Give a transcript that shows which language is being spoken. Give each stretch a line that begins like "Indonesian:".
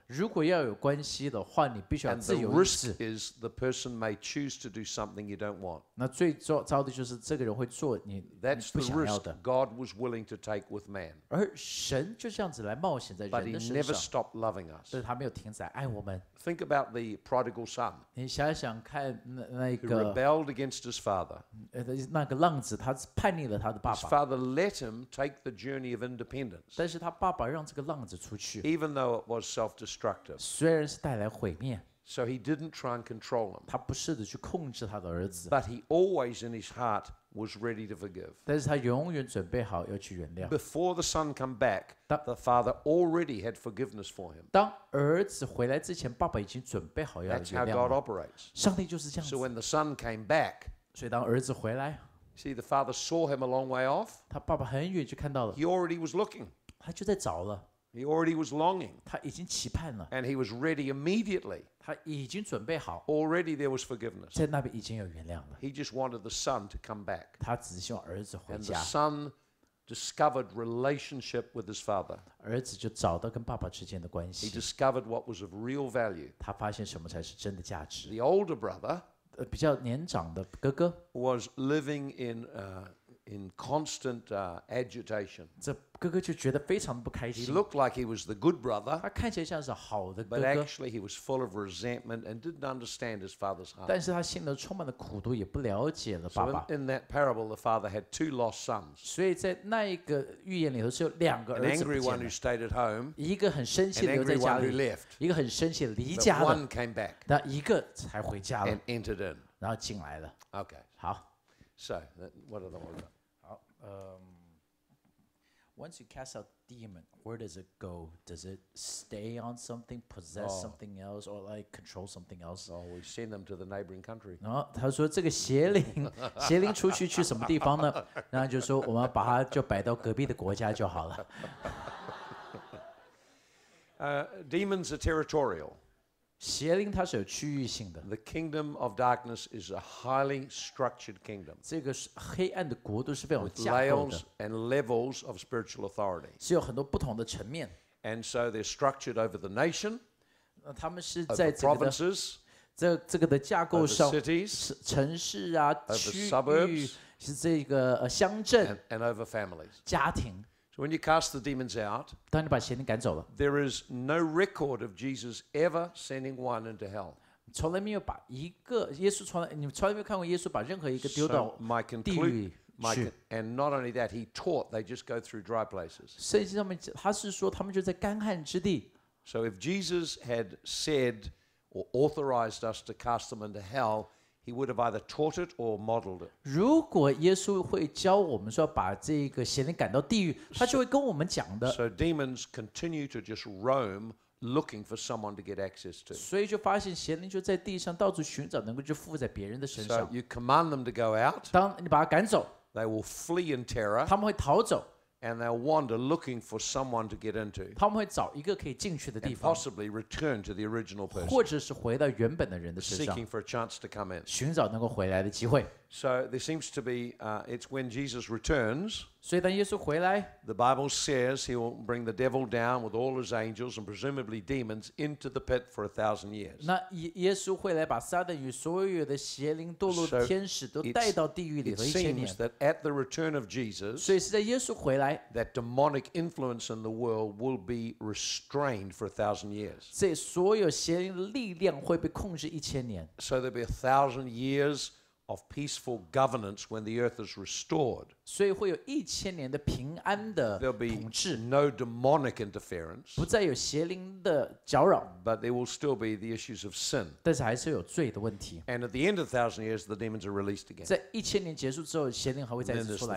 Chinese: 如果要有关系的话，你必须要自由意志。
English: And the risk is the person may choose to do something you don't want.
Chinese: 那最糟的就是这个人会做你不想要的。
English: That's the risk God was willing to take with man.
Chinese: 而神就这样子来冒险在人的身上。
English: But he never stopped loving us.
Chinese: 但是他没有停止爱我们。
English: Think about the prodigal son.
Chinese: 你想想看那个。
English: Who rebelled against his father.
Chinese: 那个浪子，他叛逆了他的爸爸。
English: His father let him take the journey. Of independence,
Chinese: 但是他爸爸让这个浪子出去
English: even though it was self-destructive,
Chinese: 虽然是带来毁灭
English: so he didn't try and control him,
Chinese: 他不试着去控制他的儿子
English: but he always in his heart was ready to forgive,
Chinese: 但是他永远准备好要去原谅
English: before the son come back, the father already had forgiveness for him,
Chinese: 当儿子回来之前，爸爸已经准备好要原谅了
English: That's how God operates,
Chinese: 上帝就是这样子
English: so when the son came back,
Chinese: 所以当儿子回来
English: See, the father saw him a long way off.
Chinese: 他爸爸很远就看到了。
English: He already was looking.
Chinese: 他就在找了。
English: He already was longing.
Chinese: 他已经期盼了。
English: And he was ready immediately.
Chinese: 他已经准备好。
English: Already there was forgiveness.
Chinese: 在那边已经有原谅了。
English: He just wanted the son to come back.
Chinese: 他只希望儿子回家。
English: And the son discovered relationship with his father.
Chinese: 儿子就找到跟爸爸之间的关系。
English: He discovered what was of real value.
Chinese: 他发现什么才是真的价值。
English: The older brother.
Chinese: 比较年长的哥哥
English: was living in constant agitation.
Chinese: 这哥哥就觉得非常不开心。
English: He looked like he was the good brother.
Chinese: 他看起来像是好的哥哥。
English: But actually, he was full of resentment and didn't understand his father's heart.
Chinese: 但是他心里充满了苦毒，也不了解了爸爸。
English: So in that parable, the father had two lost sons.
Chinese: 所以在那一个寓言里头是有两个儿子。
English: An angry one who stayed at home.
Chinese: 一个很生气留在家里。
English: An angry one who left.
Chinese: 一个很生气离家了。
English: But one came back.
Chinese: 那一个才回家了。
English: And entered in.
Chinese: 然后进来了。
English: Okay.
Chinese: 好。
English: So what are the words? Once you cast out demon, where does it go? Does it stay on something, possess something else, or like control something else? Oh, we send them to the neighboring country.
Chinese: 然后他说这个邪灵出去什么地方呢？然后就说我们把它就摆到隔壁的国家就好了。
English: Demons are territorial.
Chinese: 邪灵它是有区域性的。
English: The kingdom of darkness is a highly structured kingdom.
Chinese: 这个黑暗的国度是非常有架构的。
English: With layers and levels of spiritual authority.
Chinese: 是有很多不同的层面。
English: And so they're structured over the nation.
Chinese: 他们是在这个的
English: over provinces.
Chinese: 这个的架构上
English: over cities.
Chinese: 城市啊
English: over suburbs.
Chinese: 是这个乡镇
English: and over families.
Chinese: 家庭。
English: So when you cast the demons out,
Chinese: 当你把邪灵赶走了
English: there is no record of Jesus ever sending one into hell.
Chinese: 从来没有把一个耶稣从来你从来没有看过耶稣把任何一个丢到地狱去。
English: And not only that, he taught they just go through dry places.
Chinese: 圣经上面他是说他们就在干旱之地。
English: So if Jesus had said or authorized us to cast them into hell, he would have either taught it or modeled it.
Chinese: 如果耶稣会教我们说把这个邪灵赶到地狱，他就会跟我们讲的。
English: So demons continue to just roam. Looking for someone to get access to.
Chinese: 所以就发现邪灵就在地上到处寻找能够就附在别人的身上。
English: So you command them to go out.
Chinese: 当你把他赶走
English: ，they will flee in terror.
Chinese: 他们会逃走
English: ，and they'll wander looking for someone to get into.
Chinese: 他们会找一个可以进去的地方
English: ，and possibly return to the original person.
Chinese: 或者是回到原本的人的身上
English: ，seeking for a chance to come in.
Chinese: 寻找能够回来的机会。
English: So there seems to be, it's when Jesus returns.
Chinese: 所以当耶稣回来
English: ，the Bible says he will bring the devil down with all his angels and presumably demons into the pit for 1,000 years.
Chinese: 那耶稣回来把撒旦与所有的邪灵、堕落天使都带到地狱里了 1,000年。
English: It seems that at the return of Jesus,
Chinese: 所以是在耶稣回来
English: ，that demonic influence in the world will be restrained for 1,000 years.
Chinese: 这所有邪灵的力量会被控制一千年。
English: So there'll be 1,000 years. Of peaceful governance when the earth is restored.
Chinese: 所以会有一千年的平安的统治。
English: There'll be no demonic interference.
Chinese: 不再有邪灵的搅扰。
English: But there will still be the issues of sin.
Chinese: 但是还是有罪的问题。
English: And at the end of 1,000 years, the demons are released again.
Chinese: 在一千年结束之后，邪灵还会再次出来。